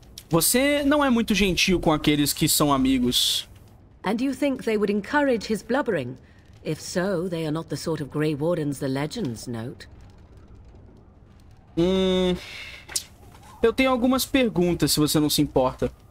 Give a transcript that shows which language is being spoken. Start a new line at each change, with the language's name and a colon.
Portuguese: Você não é muito gentil com aqueles que são amigos.
English: And you think they would encourage his blubbering? If so, they are not the sort of Grey Wardens the legends note.
Portuguese: Eu tenho algumas perguntas, se você não se importa.